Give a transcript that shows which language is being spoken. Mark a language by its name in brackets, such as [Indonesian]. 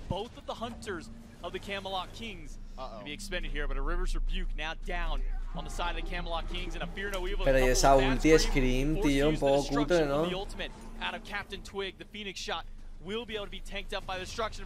[English] Both of the hunters of the Camelot Kings to be expended here, but a River's Rebuke now down on the side of the Camelot Kings and a Fear No Evil. [Spanish] Pero y esa ulti scream, tío, un poco cutre, ¿no? [English] The ultimate out of Captain Twig, the Phoenix shot will be able to be tanked up by the destruction.